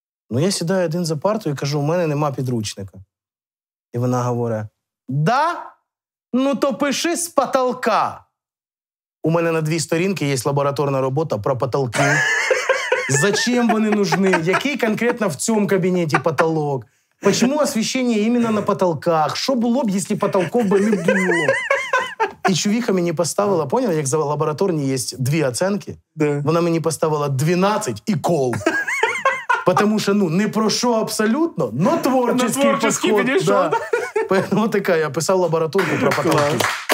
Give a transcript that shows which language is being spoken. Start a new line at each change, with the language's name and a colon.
Ukrainian: Ну, я сідаю один за партою і кажу, у мене нема підручника. І вона говорить, да? Ну, то пиши з потолка. У мене на дві сторінки є лабораторна робота про потолки. Зачем вони нужны? Який конкретно в цьому кабінеті потолок?
Russian: Почему освещение именно на потолках?
Ukrainian: Що було б, якщо потолков би не було? І чувіха мені поставила, поняла, як за лабораторні є дві оцінки? Да. Вона мені поставила 12 і кол. Тому що, ну, не про що абсолютно, но творчий підход. На творчий підійшов, так? Ну, така, я писав лабораторку про потолки.